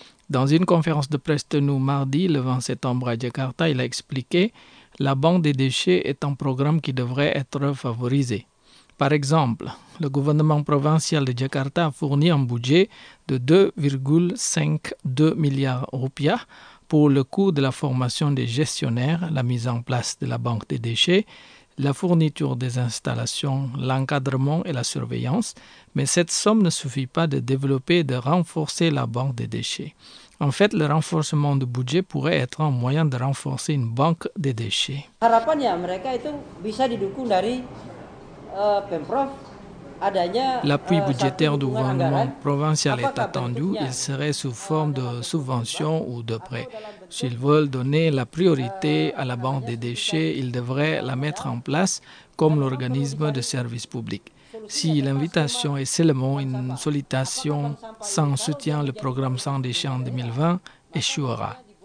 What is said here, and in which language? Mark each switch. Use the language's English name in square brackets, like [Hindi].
[French] Dans une conférence de presse tenue mardi, le 20 septembre à Jakarta, il a expliqué « La banque des déchets est un programme qui devrait être favorisé. » Par exemple, le gouvernement provincial de Jakarta a fourni un budget de 2,52 milliards roupias pour le coût de la formation des gestionnaires, la mise en place de la banque des déchets, la fourniture des installations, l'encadrement et la surveillance, mais cette somme ne suffit pas de développer et de renforcer la banque des déchets. En fait, le renforcement du budget pourrait être un moyen de renforcer une banque des déchets. [Indonesian] Harapannya mereka itu bisa didukung dari Pemprov. [French] L'appui budgétaire du gouvernement provincial est attendu. Il serait sous forme de subvention ou de prêt. S'ils veulent donner la priorité à la banque des déchets, ils devraient la mettre en place comme l'organisme de service public. Si l'invitation est seulement une sollicitation sans soutien, le programme sans déchets en 2020 échouera.